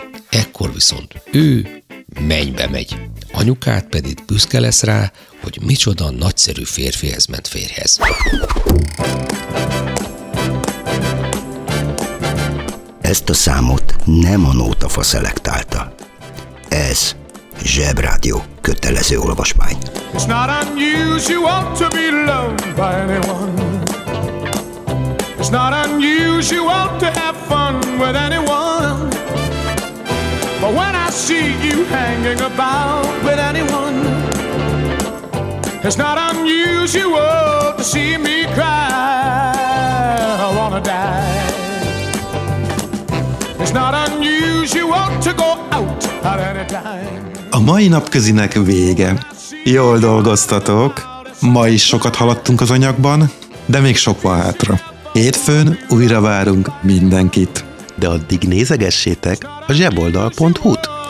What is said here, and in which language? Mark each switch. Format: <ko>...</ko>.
<hu>Ekkor viszont ő mennybe megy. Anyukád pedig büszke lesz rá, hogy micsoda nagyszerű férfihez ment férjhez. Ezt a számot nem a Nótafa szelektálta. Ez Zsebrádió kötelező olvasmány.</hu> <en>It's not unusual to be loved by anyone. It's not unusual to have fun with anyone. But when I see you hanging about with anyone, it's not unusual to see me cry. I wanna die. It's not unusual to go out at any time.</en> <hu>A mai napközinek vége. Jól dolgoztatok! Ma is sokat haladtunk az anyagban, de még sok van hátra. Hétfőn újra várunk mindenkit. De addig nézegessétek a zseboldal.hu-t!</hu>